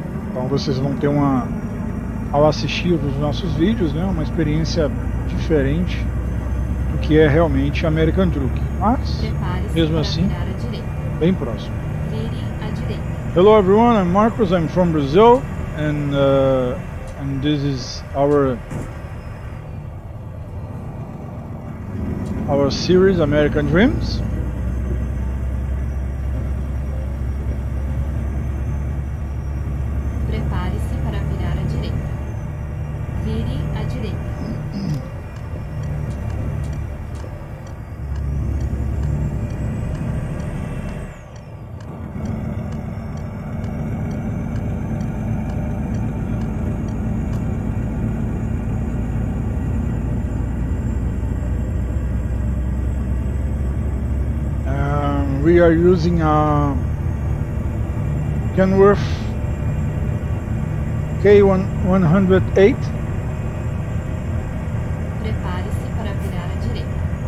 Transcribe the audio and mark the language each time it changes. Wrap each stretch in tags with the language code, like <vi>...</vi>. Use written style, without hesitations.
<pt>Então vocês vão ter uma, ao assistir os nossos vídeos, né, uma experiência diferente do que é realmente American Truck. Mas, Prepare-se mesmo para assim, virar à direita. bem próximo. Vire à direita.</pt> <en>Hello everyone, I'm Marcos, I'm from Brazil and this is our series American Dreams.</en> <pt>Prepare-se para virar à direita. Vire à direita.</pt> <en>We are using a Kenworth K108.</en> <pt>Prepare-se para virar à direita.</pt>